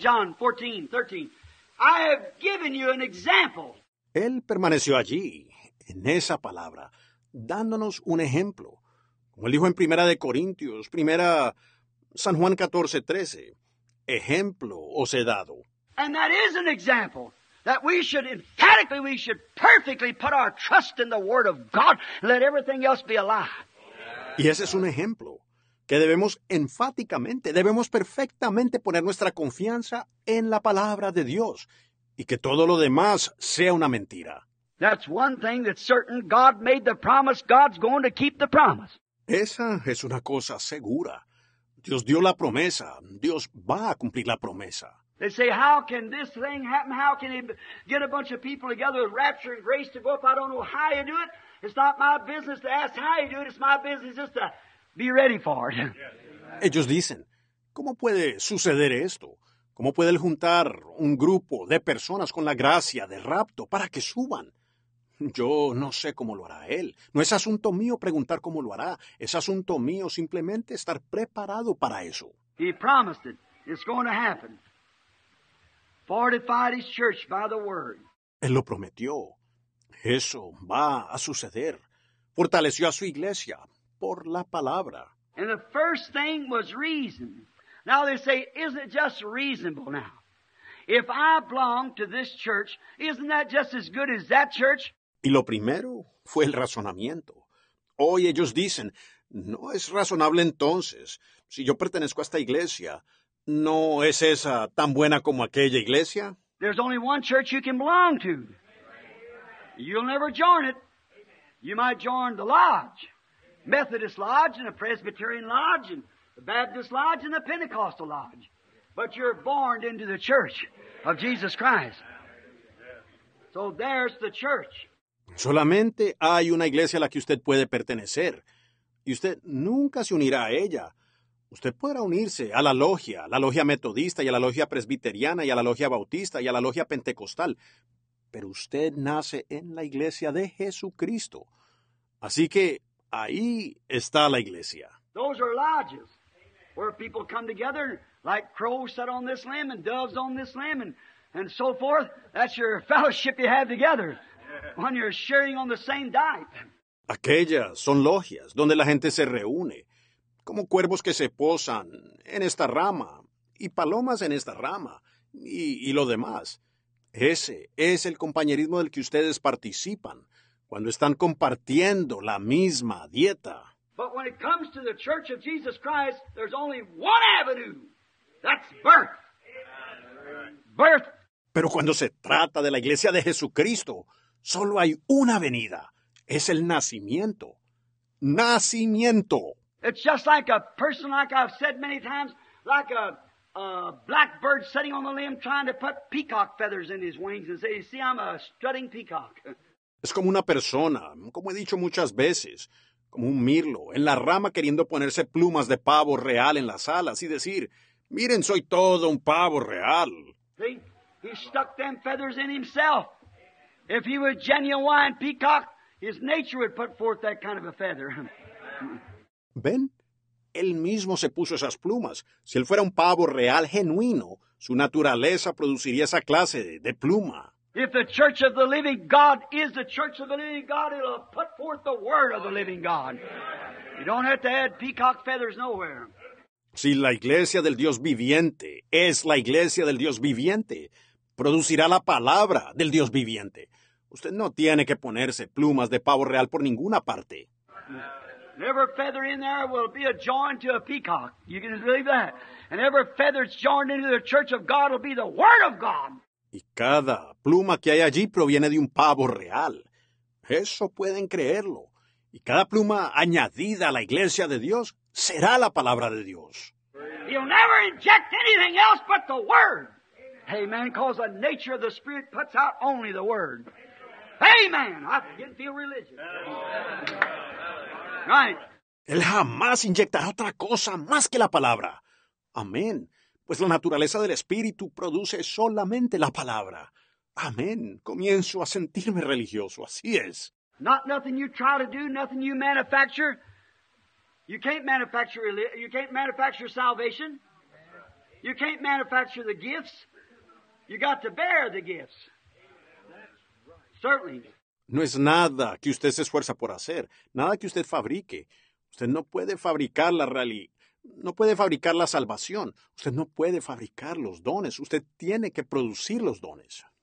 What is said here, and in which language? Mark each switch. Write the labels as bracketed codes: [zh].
[en] John 14, 13, I have given you an example. [es] Él permaneció allí, en esa palabra, dándonos un ejemplo. Como él dijo en 1 de Corintios, 1 San Juan 14, 13, ejemplo os he dado. [en] And that is an example. That we should emphatically, we should perfectly put our trust in the Word of God. Let everything else be a lie. [es] Y ese es un ejemplo que debemos enfáticamente, debemos perfectamente poner nuestra confianza en la palabra de Dios y que todo lo demás sea una mentira. [en] That's one thing that's certain. God made the promise. God's going to keep the promise. [es] Esa es una cosa segura. Dios dio la promesa. Dios va a cumplir la promesa. [en] They say, how can this thing happen? How can he get a bunch of people together with rapture and grace to go up? I don't know how you do it. It's not my business to ask how you do it. It's my business just to be ready for it. [es] Ellos dicen, ¿cómo puede suceder esto? ¿Cómo puede él juntar un grupo de personas con la gracia de rapto para que suban? Yo no sé cómo lo hará él. No es asunto mío preguntar cómo lo hará. Es asunto mío simplemente estar preparado para eso. [en] He promised it. It's going to happen. Fortified his church by the word. [es] Él lo prometió. Eso va a suceder. Fortaleció a su iglesia por la palabra. [en] And the first thing was reason. Now they say, isn't it just reasonable now? If I belong to this church, isn't that just as good as that church? [es] Y lo primero fue el razonamiento. Hoy ellos dicen, no es razonable entonces, si yo pertenezco a esta iglesia, ¿no es esa tan buena como aquella iglesia? [en] There's only one church you can belong to. You'll never join it. You might join the lodge. Methodist lodge and a Presbyterian lodge and the Baptist lodge and the Pentecostal lodge. But you're born into the church of Jesus Christ. So there's the church. [es] Solamente hay una iglesia a la que usted puede pertenecer. Y usted nunca se unirá a ella. Usted podrá unirse a la logia metodista y a la logia presbiteriana y a la logia bautista y a la logia pentecostal, pero usted nace en la iglesia de Jesucristo. Así que ahí está la iglesia. [en] Those are lodges where people come together like crows sit on this limb and doves on this limb and so forth. That's your fellowship you have together when you're sharing on the same diet. [es] Aquellas son logias donde la gente se reúne. Como cuervos que se posan en esta rama, y palomas en esta rama, y lo demás. Ese es el compañerismo del que ustedes participan, cuando están compartiendo la misma dieta. [en] But when it comes to the Church of Jesus Christ, there's only one avenue. That's birth. Birth. [es] Pero cuando se trata de la Iglesia de Jesucristo, solo hay una avenida. Es el nacimiento. Nacimiento. [en] It's just like a person, like I've said many times, like a blackbird sitting on the limb trying to put peacock feathers in his wings and say, you see, I'm a strutting peacock. [es] Es como una persona, como he dicho muchas veces, como un mirlo en la rama queriendo ponerse plumas de pavo real en las alas y decir, miren, soy todo un pavo real. [en] See, he stuck them feathers in himself. If he were a genuine peacock, his nature would put forth that kind of a feather. [es] ¿Ven? Él mismo se puso esas plumas. Si él fuera un pavo real, genuino, su naturaleza produciría esa clase de pluma. [en] If the church of the living God is the church of the living God, it'll put forth the word of the living God. You don't have to add peacock feathers nowhere. [es] Si la iglesia del Dios viviente es la iglesia del Dios viviente, producirá la palabra del Dios viviente. Usted no tiene que ponerse plumas de pavo real por ninguna parte. [en] Every feather in there will be a joined to a peacock. You can believe that. And every feather that's joined into the church of God will be the word of God. [es] Y cada pluma que hay allí proviene de un pavo real. Eso pueden creerlo. Y cada pluma añadida a la iglesia de Dios será la palabra de Dios. [en] He'll never inject anything else but the word. Amen. Because the nature of the Spirit puts out only the word. Amen. I begin to feel religious. Right. [es] Él jamás inyectará otra cosa más que la palabra. Amén. Pues la naturaleza del Espíritu produce solamente la palabra. Amén. Comienzo a sentirme religioso. Así es. [en] Not nothing you try to do, nothing you manufacture. You can't manufacture you can't manufacture salvation. You can't manufacture the gifts. You got to bear the gifts. Certainly. [es] No es nada que usted se esfuerza por hacer, nada que usted fabrique. Usted no puede fabricar la realidad, no puede fabricar la salvación. Usted no puede fabricar los dones. Usted tiene que producir los dones.